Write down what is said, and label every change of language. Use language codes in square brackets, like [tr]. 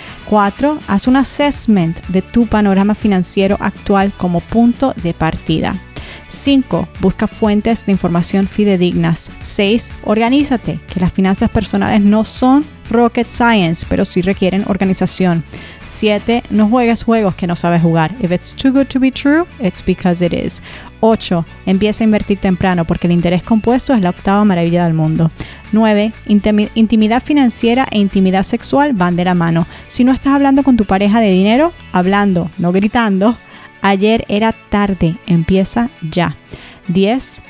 [es] Cuatro, haz un assessment de tu panorama financiero actual como punto de partida. 5. Busca fuentes de información fidedignas. 6. Organízate, que las finanzas personales no son [en] rocket science, [es] pero sí requieren organización. 7. No juegues juegos que no sabes jugar. [en] If it's too good to be true, it's because it is. [es] 8. Empieza a invertir temprano, porque el interés compuesto es la octava maravilla del mundo. 9. Intimidad financiera e intimidad sexual van de la mano. Si no estás hablando con tu pareja de dinero, hablando, no gritando. Ayer era tarde, empieza ya. 10.